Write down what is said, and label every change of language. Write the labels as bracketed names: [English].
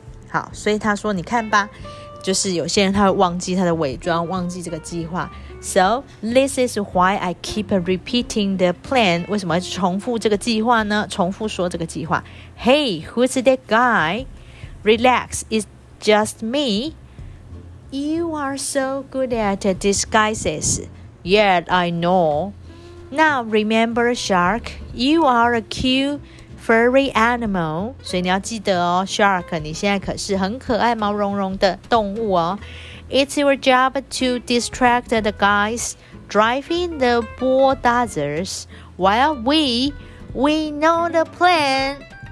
[Chinese] 好，所以他说你看吧，就是有些人他会忘记他的伪装，忘记这个计划。 [English] So, this is why I keep repeating the plan. [Chinese] 为什么要重复这个计划呢？重复说这个计划。 [English] Hey, who's that guy? Relax, it's just me. You are so good at disguises. Yeah, I know. Now, remember, Shark, you are a cute furry animal. [Chinese] 所以你要记得哦 ,Shark, 你现在可是很可爱毛茸茸的动物哦。 [English] It's your job to distract the guys driving the bulldozers while we know the plan.